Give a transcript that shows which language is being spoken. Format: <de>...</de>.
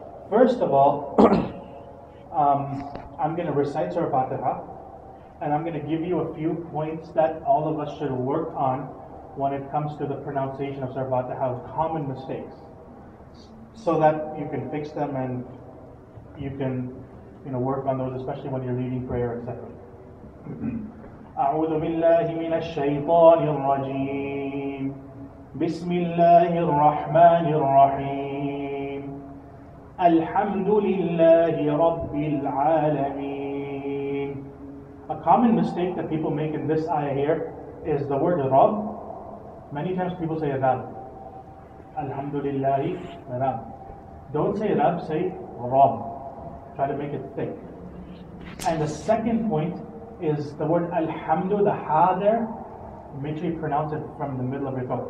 <en>First of all, I'm going to recite Surah Fatiha, and I'm going to give you a few points that all of us should work on when it comes to the pronunciation of Surah Fatiha, common mistakes, so that you can fix them and you can, you know, work on those, especially when you're leading prayer, etc.</en> <ar>أعوذ بالله من الشيطان الرجيم بسم الله الرحمن الرحيم الحمد لله رب العالمين.</ar> <en>A common mistake that people make in this ayah here is the word رب. Many times people say رب.</en> <ar>الحمد لله رب.</ar> <en>Don't say رب, say رب. Try to make it thick. And the second point is the word Alhamdu, the ha there, make sure you pronounce it from the middle of your throat.</en>